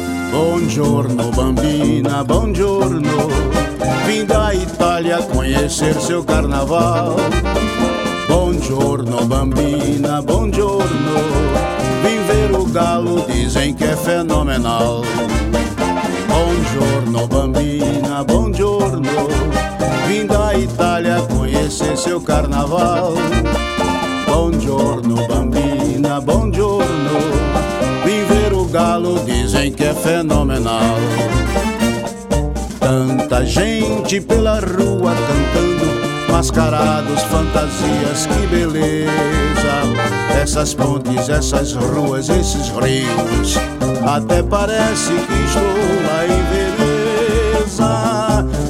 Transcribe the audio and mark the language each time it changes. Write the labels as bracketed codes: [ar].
[it] Buongiorno, bambina, buongiorno. [pt] Vim da Itália conhecer seu carnaval. [it] Buongiorno, bambina, buongiorno. [pt] Vim ver o galo, dizem que é fenomenal. [it] Buongiorno, bambina, buongiorno. [pt] Vim da Itália conhecer seu carnaval. [it] Buongiorno, bambina, buongiorno. [pt] Vim ver o galo, dizem que é fenomenal. Tanta gente pela rua cantando, mascarados, fantasias, que beleza. Essas pontes, essas ruas, esses rios, até parece que estou lá em Veneza.